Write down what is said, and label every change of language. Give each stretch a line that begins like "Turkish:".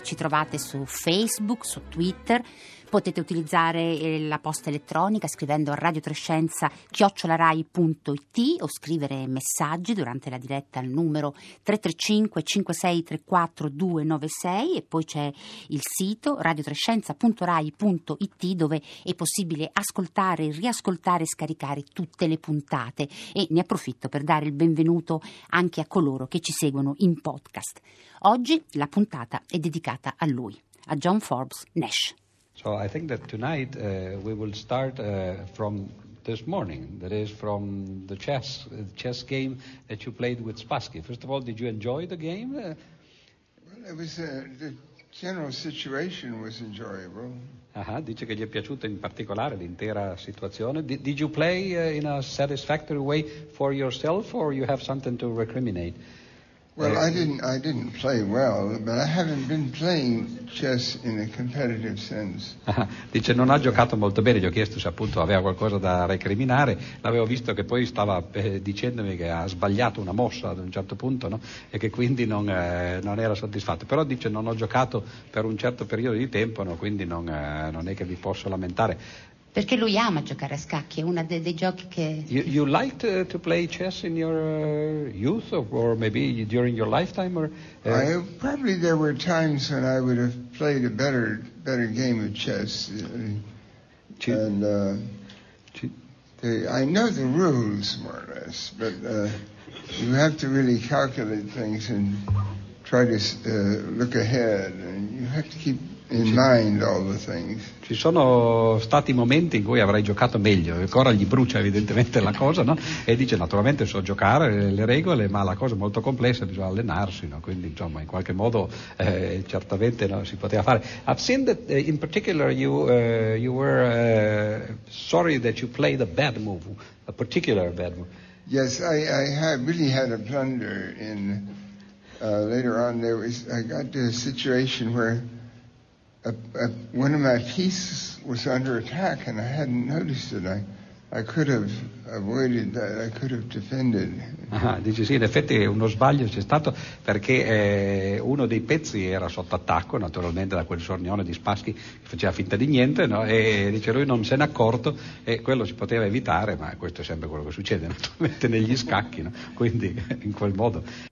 Italian: Ci trovate su Facebook, su Twitter. Potete utilizzare la posta elettronica scrivendo a radiotrescienza@rai.it o scrivere messaggi durante la diretta al numero 335-5634-296 e poi c'è il sito radiotrescienza.rai.it dove è possibile ascoltare, riascoltare e scaricare tutte le puntate. E ne approfitto per dare il benvenuto anche a coloro che ci seguono in podcast. Oggi la puntata è dedicata a lui, a John Forbes Nash.
English: So I think that tonight we will start from this morning, that is from the chess game that you played with Spassky. First of all, did you enjoy the game? Well, it was the general situation was enjoyable.
Italian: Dice che gli è piaciuta in particolare l'intera situazione.
English: Did you play in a satisfactory way for yourself, or you have something to recriminate? Well, I didn't play well, but I haven't been playing chess in a competitive sense.
Italian: Dice non ha giocato molto bene, gli ho chiesto se appunto aveva qualcosa da recriminare, l'avevo visto che poi stava dicendomi che ha sbagliato una mossa ad un certo punto, no? E che quindi non era soddisfatto. Però dice non ho giocato per un certo periodo di tempo, no? Quindi non è che vi posso lamentare. Perché lui ama giocare a scacchi, è uno dei giochi che...
English: You liked to play chess in your youth or maybe during your lifetime? Probably there were times when I would have played a better game of chess. I know the rules more or less, but you have to really calculate things and try to look ahead, and you have to keep in mind all the things.
Italian: Ci sono stati momenti in cui avrei giocato meglio, ancora gli brucia evidentemente la cosa, no? E dice naturalmente so giocare le regole, ma la cosa è molto complessa, bisogna allenarsi, no? Quindi insomma in qualche modo certamente non si poteva fare.
English: I've seen that in particular you were sorry that you played a bad move, a particular bad move. Yes, I have really had a blunder in later on. I got to a situation where one of my pieces was under attack and I hadn't noticed it. I could have avoided that, I could have defended.
Italian: Dice sì, in effetti uno sbaglio c'è stato perché uno dei pezzi era sotto attacco, naturalmente da quel sornione di Spassky che faceva finta di niente, no? E dice lui non se n'è accorto e quello si poteva evitare, ma questo è sempre quello che succede naturalmente negli scacchi, no? Quindi in quel modo.